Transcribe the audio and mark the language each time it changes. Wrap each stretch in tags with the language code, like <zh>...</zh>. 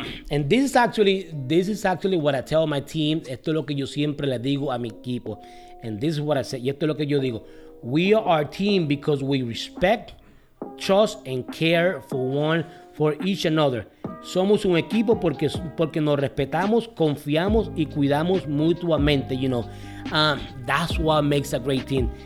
<en>This is actually what I tell my team.</en> <es>Esto es lo que yo siempre le digo a mi equipo.</es> <en>And this is what I say.</en> <es>Y esto es lo que yo digo.</es> <en>We are our team because we respect, trust, and care for each another.</en> <es>Somos un equipo porque nos respetamos, confiamos y cuidamos mutuamente.</es> <en>You know, that's what makes a great team.</en>